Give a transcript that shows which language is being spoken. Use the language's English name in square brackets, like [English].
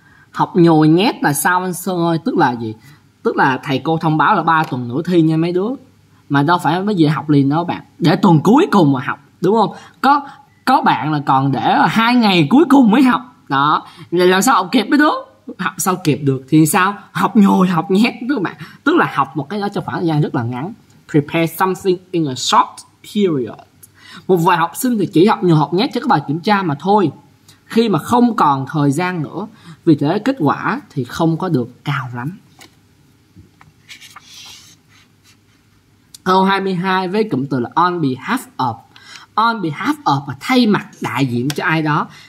[Vietnamese] Học nhồi nhét là sao anh Sơn ơi? Tức là gì? Tức là thầy cô thông báo là 3 tuần nữa thi nha mấy đứa, mà đâu phải mới về học liền đâu bạn, để tuần cuối cùng mà học, đúng không? Có bạn là còn để 2 ngày cuối cùng mới học đó, làm sao học kịp mấy đứa? Học sao kịp được thì sao? Học nhồi học nhét đúng không bạn? Tức là học một cái đó trong khoảng thời gian rất là ngắn. [English] Prepare something in a short period. [Vietnamese] Một vài học sinh thì chỉ học nhồi học nhét cho các bài kiểm tra mà thôi, khi mà không còn thời gian nữa, vì thế kết quả thì không có được cao lắm. Câu 22 với cụm từ là on behalf of. On behalf of là thay mặt đại diện cho ai đó.